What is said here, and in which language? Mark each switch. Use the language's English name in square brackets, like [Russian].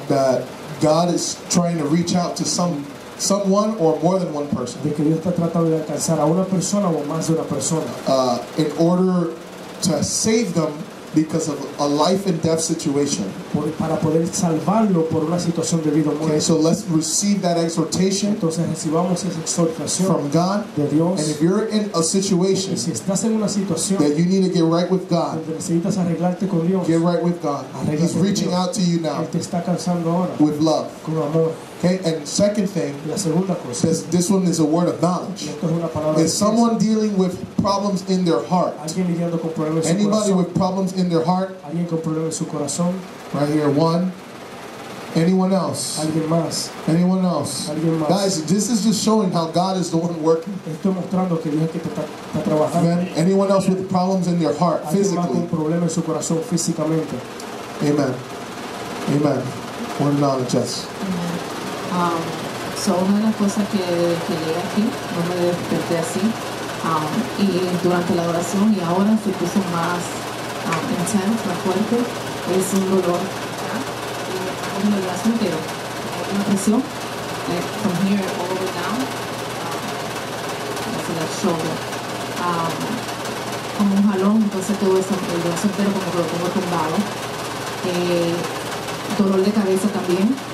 [English] That God is trying to reach out to someone or more than one person. [Spanish] De que Dios está tratando de alcanzar a una persona o más de una persona. [English] In order to save them because of a life and death situation. [Spanish] Para poder salvarlo por una situación de vida o muerte. [English] Okay, so let's receive that exhortation. [Spanish] Entonces recibamos esa exhortación [English] from God. [Spanish] De Dios. [English] And if you're in a situation, [Spanish] si estás en una situación [English] that you need to get right with God, [Spanish] necesitas arreglarte con Dios, [English] get right with God. [Spanish] Arreglate. [English] He's reaching out to you now. [Spanish] Él te está alcanzando ahora. [English] With love. [Spanish] Con amor. [English] Okay, and second thing, [Spanish] la segunda cosa, [English] this one is a word of knowledge. [Spanish] Esto es una palabra [English] de someone dealing with problems in their heart. [Spanish] Alguien lidiando con problemas en su [English] anybody [Spanish] corazón. [English] With problems in their heart. [Spanish] Alguien con problemas en su corazón. [English] Right here, one. Anyone else? [Spanish] Alguien más. [English] Anyone else? [Spanish] Alguien más. [English] Guys, this is just showing how God is the one working. [Spanish] Esto es mostrando que Dios es que está trabajando. [English] Amen. Anyone else with problems in their heart, [Spanish] alguien [English] physically? [Spanish] Alguien más con problemas en su corazón físicamente. [English] Amen. Amen. Word of knowledge, yes. [Spanish] So una de las cosas que llegué aquí, no me desperté así, y durante la oración y ahora se puso más intenso, más fuerte, es un dolor, ¿verdad? Y me dolió así, pero una presión, [English] from here all the way down, [Spanish] hacia la shoulder, como un jalón, entonces todo eso, el brazo entero como que lo tengo tumbado, dolor de cabeza también.